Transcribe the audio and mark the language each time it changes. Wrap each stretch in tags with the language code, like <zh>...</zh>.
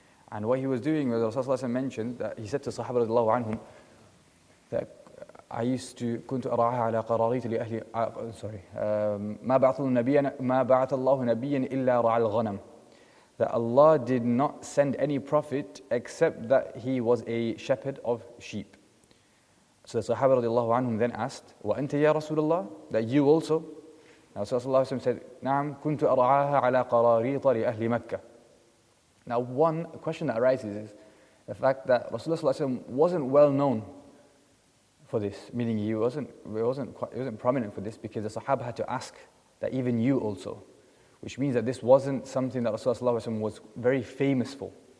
<en>And what he was doing, as Rasulullah mentioned, that he said to Sahaba radiallahu anhum, that I used to</en> <ar>كنت أراها على قراريت لأهلي</ar> <en>sorry</en> <ar>ما بعث النبي ما بعث الله نبيا إلا رعى الغنم,</ar> <en>that Allah did not send any prophet except that he was a shepherd of sheep. So the Sahaba radiallahu anhum then asked,</en> <ar>وأنت يا رسول الله,</ar> <en>that you also.</en> <ar>Now Rasulullah صلى الله عليه وسلم said, نعم كنت أراها على قراريت لأهل مكة.</ar> <en>Now one question that arises is the fact that Rasulullah صلى الله عليه وسلم wasn't well known for this, meaning he wasn't prominent for this, because the Sahaba had to ask that even you also, which means that this wasn't something that Rasulullah ﷺ was very famous for.</en>